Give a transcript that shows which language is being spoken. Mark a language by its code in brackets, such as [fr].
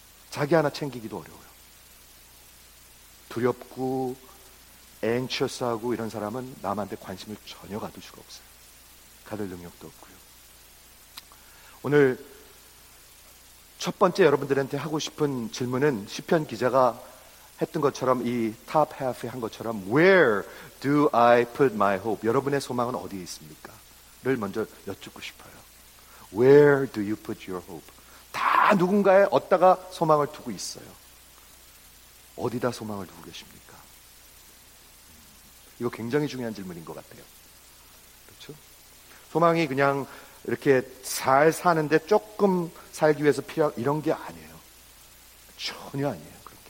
[ko] 자기 하나 챙기기도 어려워요. 두렵고 앵처스하고 이런 사람은 남한테 관심을 전혀 가둘 수가 없어요. 가둘 능력도 없고요. 오늘 첫 번째 여러분들한테 하고 싶은 질문은 시편 기자가 했던 것처럼 이 top half에 한 것처럼 [en] Where do I put my hope? [ko] 여러분의 소망은 어디에 있습니까? 를 먼저 여쭙고 싶어요. [en] Where do you put your hope? [ko] 다 누군가에 어디다가 소망을 두고 있어요. 어디다 소망을 두고 계십니까? 이거 굉장히 중요한 질문인 것 같아요. 그렇죠? 소망이 그냥 이렇게 잘 사는데 조금 살기 위해서 필요한 이런 게 아니에요. 전혀 아니에요.